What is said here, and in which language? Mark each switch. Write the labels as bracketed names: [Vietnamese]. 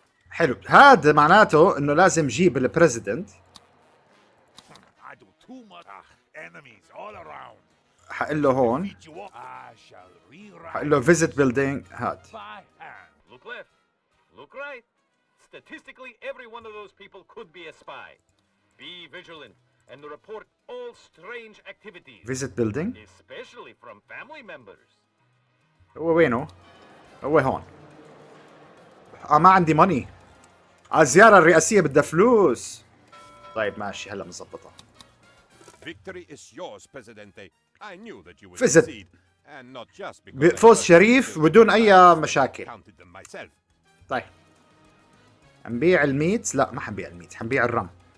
[Arabic] حلو، هذا معناته انه لازم جيب البريزيدنت. [English] I do too much enemies all around. [Arabic] حقول له هون. حقول له [English] visit building [Arabic] هاد. [English] Look left. Look right. Statistically every one of those people could be a spy. Be vigilant. And report all strange activities. Visit building. Especially from family members. [Arabic] هو وينه؟ هو هون. ما عندي ماني. الزيارة الرئاسية بدها فلوس. طيب ماشي، هلا مزبطة. [English] Victory is yours, Presidente. I knew that you would succeed. [Arabic] بفوز شريف بدون أي مشاكل. طيب نبيع الميت؟ لا ما حنبيع الميت، حنبيع الرم.